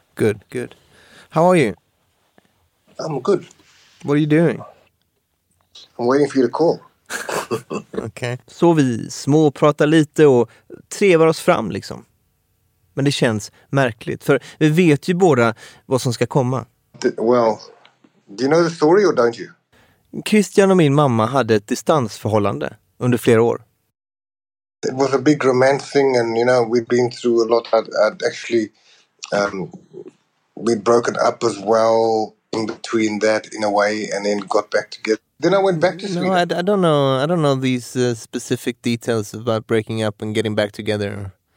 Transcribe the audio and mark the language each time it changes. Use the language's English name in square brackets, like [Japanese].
[English] Good, good. How are you? I'm good. What are you doing? I'm waiting for you to call. Okay. [Swedish] Så vi småpratar lite och trevar oss fram liksom. Men det känns märkligt, för vi vet ju båda vad som ska komma. [English] Well, do you know the story or don't you? [Swedish] Christian och min mamma hade ett distansförhållande under flera år. [English] It was a big romance thing and you know we've been through a lot. I'd actually we'd broken up as well in between that in a way and then got back together. Then I went back to Sweden. No, I don't know. I don't know these specific details about breaking up and getting back together.